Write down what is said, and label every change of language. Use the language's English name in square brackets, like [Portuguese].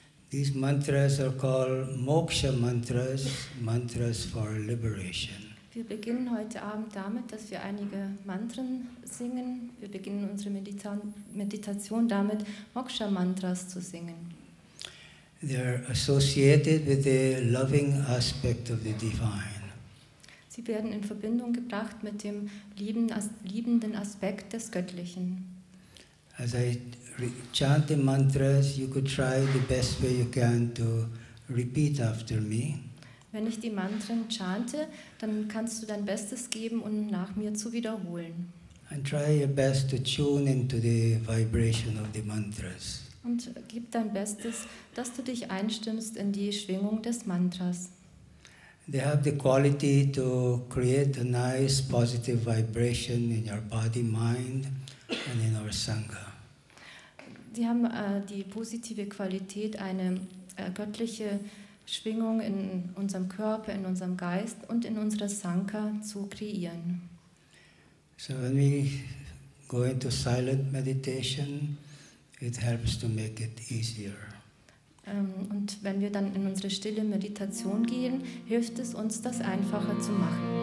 [English] These mantras are called moksha mantras, mantras for liberation. [German] Wir beginnen heute Abend damit, dass wir einige Mantren singen. Wir beginnen unsere Meditation damit, moksha mantras zu singen. [English] They are associated with the loving aspect of the divine. [German] Sie werden in Verbindung gebracht mit dem liebenden Aspekt des Göttlichen. [English] As I chant the mantras, you could try the best way you can to repeat after me. [German] Wenn ich die Mantren chante, dann kannst du dein Bestes geben, um nach mir zu wiederholen. [English] And try your best to tune into the vibration of the mantras. [German] Und gib dein Bestes, dass du dich einstimmst in die Schwingung des Mantras. [English] They have the quality to create a nice positive vibration in your body, mind, and in our Sangha. [German] Sie haben die positive Qualität, eine göttliche Schwingung in unserem Körper, in unserem Geist und in unserer Sangha zu kreieren. [English] So when we go into silent meditation, it helps to make it easier. [German] Und wenn wir dann in unsere stille Meditation gehen, hilft es uns, das einfacher zu machen.